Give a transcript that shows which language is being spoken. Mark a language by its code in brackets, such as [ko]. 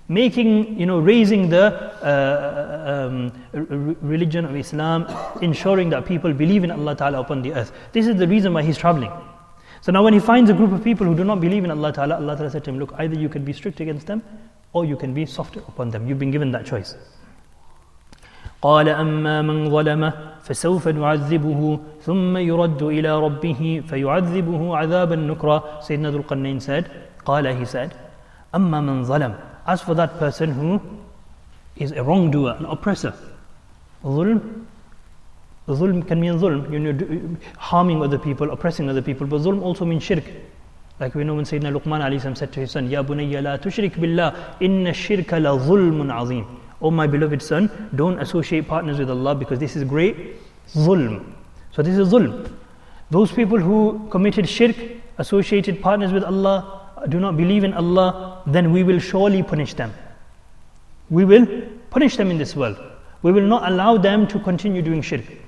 [en] Raising the religion of Islam, ensuring that people believe in Allah Ta'ala upon the earth. This is the reason why he's traveling. So now when he finds a group of people who do not believe in Allah Ta'ala, Allah Ta'ala said to him, look, either you can be strict against them, or you can be soft upon them. You've been given that choice. [ar] قال أما من ظلم فسوف نعذبه ثم يرد إلى ربه فيعذبه عذابا نكرا. سيدنا ذو القرنين [en] said, [ar] قال, [en] he said, [ar] أما من ظلم. [en] As for that person who is a wrongdoer, an oppressor. ظلم, ظلم can mean ظلم, harming other people, oppressing other people, but ظلم also means shirk. Like we know when [ar] سيدنا لقمان عليه السلام [en] said to his son, [ar] يا بني لا تشرك بالله إن الشرك لظلم عظيم. [en] Oh my beloved son, don't associate partners with Allah because this is great zulm. So this is zulm. Those people who committed shirk, associated partners with Allah, do not believe in Allah, then we will surely punish them. We will punish them in this world. We will not allow them to continue doing shirk.